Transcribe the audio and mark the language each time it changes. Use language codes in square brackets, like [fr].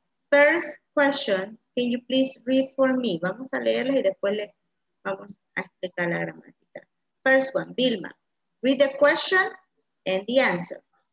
[en] First question, can you please read for me? [es] Vamos a leerla y después le vamos a explicar la gramática. [en] First one, Vilma, read the question and the answer.